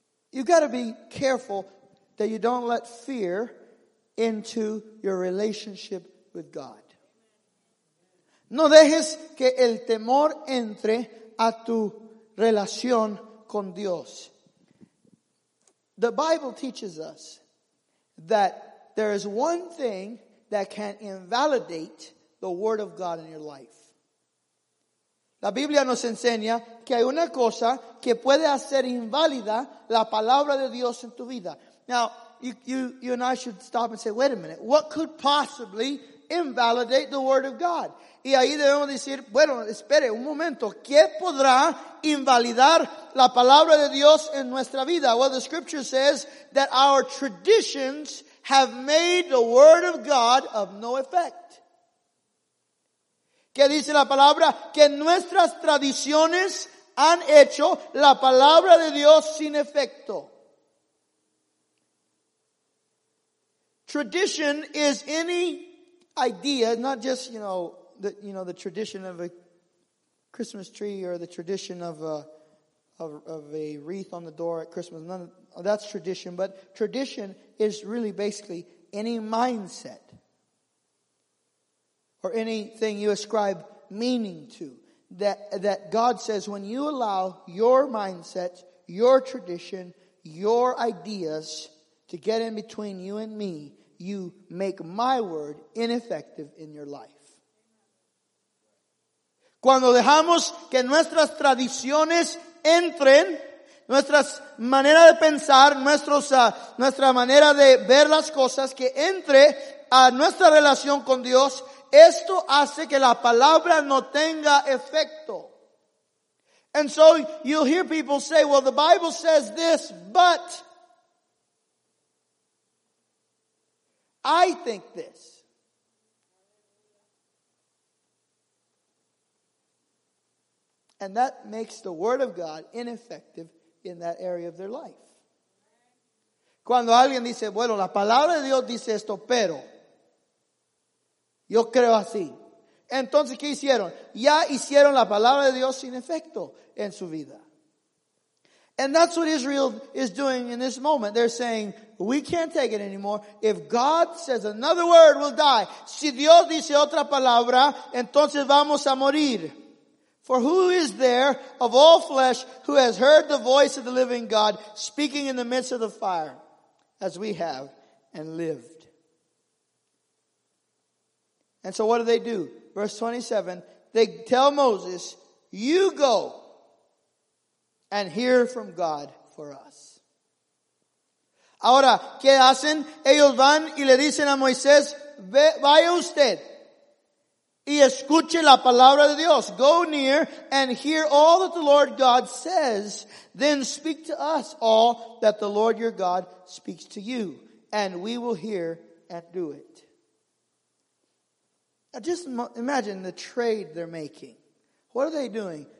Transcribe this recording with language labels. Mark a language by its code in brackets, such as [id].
[en] You've got to be careful that you don't let fear into your relationship with God. [es] No dejes que el temor entre a tu relación con Dios. [en] The Bible teaches us that there is one thing that can invalidate the Word of God in your life. [es] La Biblia nos enseña que hay una cosa que puede hacer inválida la palabra de Dios en tu vida. [en] Now, you and I should stop and say, wait a minute, what could possibly invalidate the Word of God? [es] Y ahí debemos decir, bueno, espere un momento. ¿Qué podrá invalidar la palabra de Dios en nuestra vida? [en] Well, the scripture says that our traditions have made the word of God of no effect. [es] ¿Qué dice la palabra? Que nuestras tradiciones han hecho la palabra de Dios sin efecto. [en] Tradition is any idea, not just, you know, the tradition of a Christmas tree or the tradition of a wreath on the door at Christmas. None of that's tradition, but tradition is really basically any mindset or anything you ascribe meaning to that God says when you allow your mindset, your tradition, your ideas to get in between you and me, you make my word ineffective in your life. [es] Cuando dejamos que nuestras tradiciones entren, nuestras maneras de pensar, nuestra manera de ver las cosas, que entre a nuestra relación con Dios, esto hace que la palabra no tenga efecto. [en] And so you'll hear people say, well, the Bible says this, but I think this. And that makes the word of God ineffective in that area of their life. [es] Cuando alguien dice, bueno, la palabra de Dios dice esto, pero yo creo así. Entonces, ¿qué hicieron? Ya hicieron la palabra de Dios sin efecto en su vida. [en] And that's what Israel is doing in this moment. They're saying, we can't take it anymore. If God says another word, we'll die. [es] Si Dios dice otra palabra, entonces vamos a morir. [en] For who is there of all flesh who has heard the voice of the living God speaking in the midst of the fire as we have and lived? And so what do? Verse 27, they tell Moses, you go and hear from God for us. [es] Ahora, ¿qué hacen? Ellos van y le dicen a Moisés, vaya usted. Y escuche la palabra de Dios. [en] Go near and hear all that the Lord God says. Then speak to us all that the Lord your God speaks to you. And we will hear and do it. Now just imagine the trade they're making. What are they doing?